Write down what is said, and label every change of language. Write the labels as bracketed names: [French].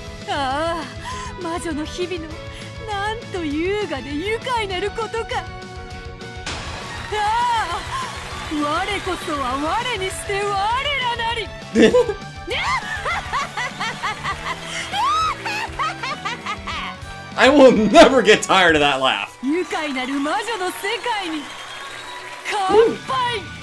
[Japanese] ああ、魔女の日々の、なんと優雅で愉快なることか。ああ、我こそは我にして我らなり。 [English] I will never get tired of that laugh. [Japanese] 愉快なる魔女の世界に乾杯。